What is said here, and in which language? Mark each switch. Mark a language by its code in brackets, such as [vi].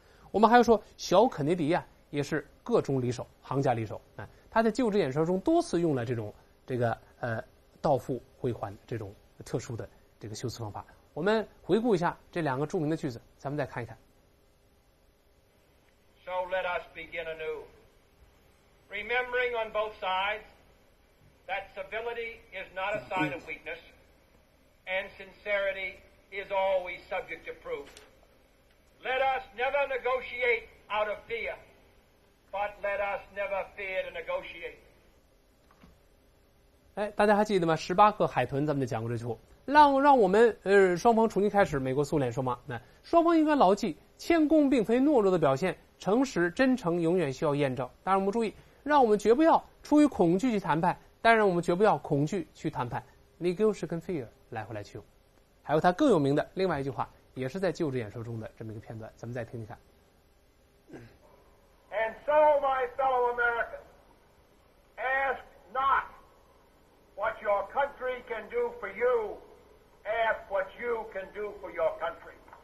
[zh] 我们还要说小肯尼迪啊，也是各种里手，行家里手。他在就职演说中多次用了这个倒复回环这种特殊的这个修辞方法。我们回顾一下这两个著名的句子，咱们再看一看。 [en] So let us begin anew, remembering on both sides that civility is not a sign of weakness, and sincerity is always subject to proof. Let us never negotiate out of fear. But let us never fear to negotiate. [zh] 哎，大家还记得吗？十八个海豚，咱们就讲过这句话。让我们双方重新开始，美国苏联说嘛，那双方应该牢记，谦恭并非懦弱的表现，诚实真诚永远需要验证。当然我们注意，让我们绝不要出于恐惧去谈判，但让我们绝不要恐惧去谈判。 Negotiate 跟 fear 来回来去用。还有他更有名的另外一句话，也是在就职演说中的这么一个片段，咱们再听听看。 [en] And so, my fellow Americans, ask not what your country can do for you, ask what you can do for your country.